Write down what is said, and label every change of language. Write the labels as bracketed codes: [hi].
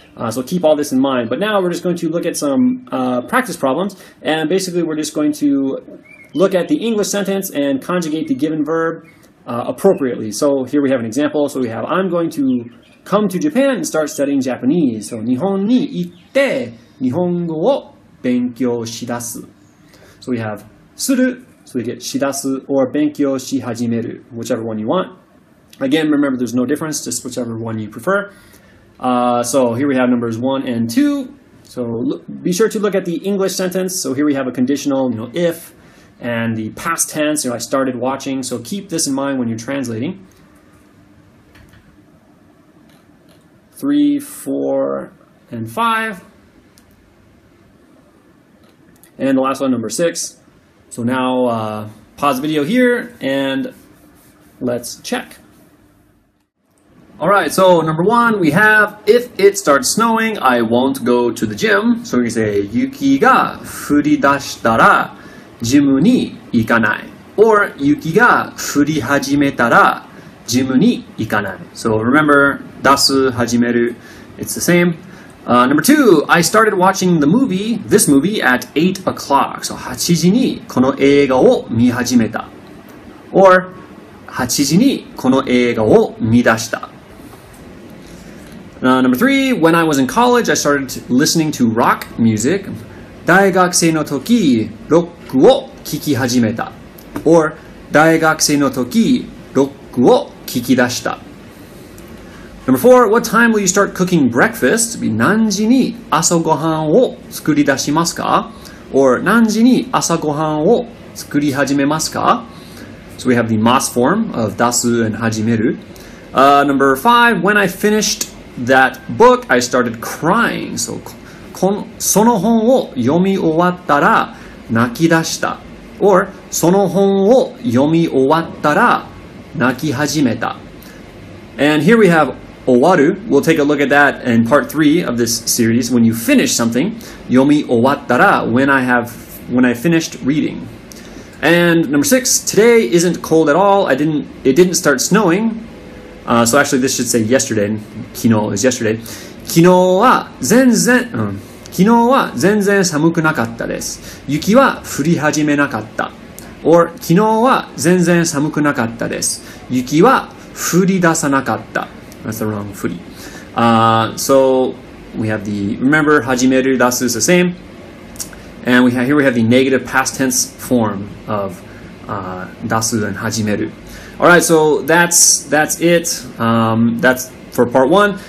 [en] So keep all this in mind. But now we're just going to look at some practice problems. And basically, we're just going to look at the English sentence and conjugate the given verb appropriately. So here we have an example. So we have, I'm going to come to Japan and start studying Japanese. [ja] So 日本に行って日本語を勉強しだす。 [en] So we have する, so we get しだす, or 勉強しはじめる, whichever one you want. Again, remember there's no difference, just whichever one you prefer. So here we have numbers 1 and 2. So be sure to look at the English sentence. So here we have a conditional, you know, if, and the past tense, you know, I started watching. So keep this in mind when you're translating. 3, 4, and 5. And the last one, number 6. So now, pause the video here, and let's check. All right, so number 1, we have, if it starts snowing, I won't go to the gym. So we say, [ja] 雪が降り出したらジムに行かない。 Or, 雪が降り始めたらジムに行かない。 [en] So remember, 出す、始める, it's the same. Number 2, I started watching the movie, this movie, at 8 o'clock. [ja] So, 8時にこの映画を見始めた.Or, 8時にこの映画を見出した. [en] Number 3, when I was in college, I started listening to rock music. [ja] 大学生の時、ロックを聴き始めた. Or, 大学生の時、ロックを聴き出した. [en] Number 4, what time will you start cooking breakfast? [ja] 何時に朝ごはんを作り出しますか? Or 何時に朝ごはんを作り始めますか? [en] So we have the mas form of 出す and 始める. Number 5, when I finished that book, I started crying. [ja] So その本を読み終わったら泣き出した. Or その本を読み終わったら泣き始めた. [en] And here we have... 終わる. We'll take a look at that in part 3 of this series. When you finish something, 読み終わったら, when I finished reading. And number 6, today isn't cold at all. It didn't start snowing. So actually, this should say yesterday. 昨日 is yesterday. [ja] 昨日は全然寒くなかったです。雪は降り始めなかった。Or 昨日は全然寒くなかったです。雪は降り出さなかった。 [en] That's the wrong footy. So we have the, remember, hajimeru, dasu is the same. And here we have the negative past tense form of dasu and hajimeru. All right, so that's it. That's for part one.